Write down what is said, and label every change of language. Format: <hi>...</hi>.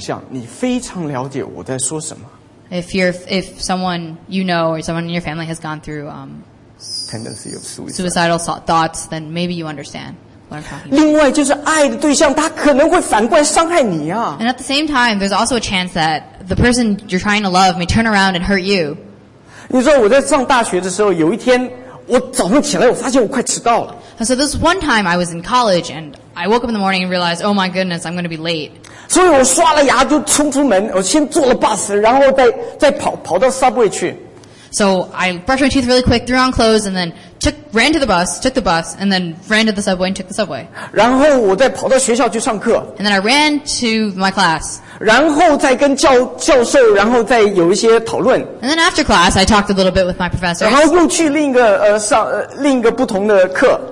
<zh>如果你的亲人有经历过有自杀倾向，你非常了解我在说什么。</zh> <en>If someone you know or someone in your family has gone through tendency of suicidal thoughts, then maybe you understand what I'm talking about. And at the same time, there's also a chance that the person you're trying to love may turn around and hurt you. And so this one time I was in college and I woke up in the morning and realized, oh my goodness, I'm going to be late.</en> <zh>所以我刷了牙就冲出门，我先坐了巴士，然后再跑到subway去。</zh> <en>So I brushed my teeth really quick, threw on clothes, and then took the bus, and then ran to the subway and took the subway.</en> <zh>然后我再跑到学校去上课。</zh> <en>And then I ran to my class.</en> <zh>然后再跟教授，然后再有一些讨论。</zh> <en>And then after class, I talked a little bit with my professor.</en> <zh>然后又去另一个不同的课。</zh>